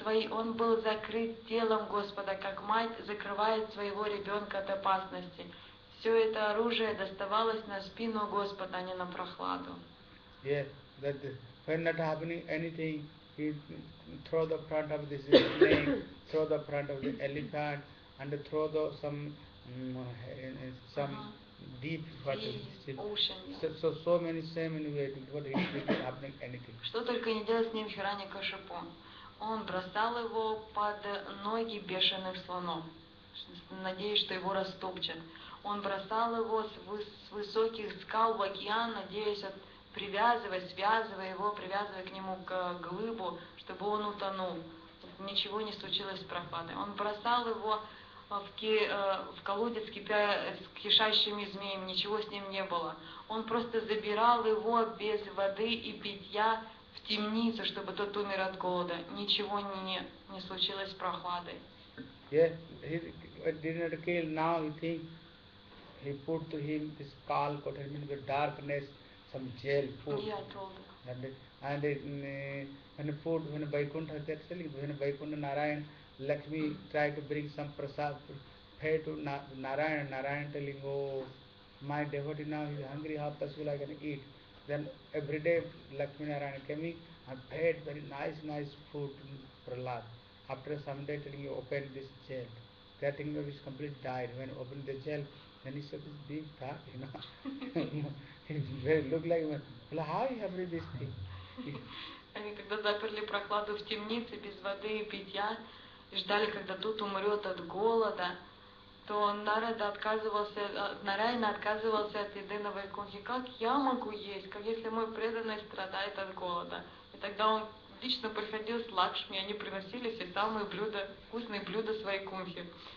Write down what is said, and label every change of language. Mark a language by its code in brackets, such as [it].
[ru] Он был закрыт телом Господа, как мать закрывает своего ребенка от опасности. Все это оружие доставалось на спину Господа, а не на Прохладу. [en] Yeah, that when not happening anything, he throw the front of the snake, throw the front of the elephant, and throw the deep water. So many same in way, what he did not happen anything. [ru] Что только не делал с ним Хирани Кашипу. Он бросал его под ноги бешеных слонов, надеясь, что его растопчат. Он бросал его с высоких скал в океан, надеясь, привязывая к нему к глыбу, чтобы он утонул. Ничего не случилось с Прохладой. Он бросал его в колодец с кишащими змеями, ничего с ним не было. Он просто забирал его без воды и питья в темницу, чтобы тот умер от голода. Ничего не случилось с Прохладой. [en] Yeah, he did not kill. Now he think he put to him this call, put him in the darkness, some jail food. Yeah, told. When Vaikuntha, that's telling, when Vaikuntha Narayan, Lakshmi try to bring some prasad, pay to Narayan, Narayan telling, oh, my devotee now is hungry, how much will I can eat? Then every day Lakshmi Narayan coming and paid very nice food to Prahlad. After some day telling, you open this jail, that thing is completely died. When open the jail, then he said, this being dark, you know. He looked like, well, how you have read this thing? [ru] Они когда заперли Прохладу в темнице без воды и питья и ждали, когда тот умрет от голода, то Нараяна отказывался от еды на Вайкунхе. Как я могу есть, как если мой преданный страдает от голода? И тогда он лично приходил с Лакшми, они приносили все самые блюда, вкусные блюда с Вайкунхе.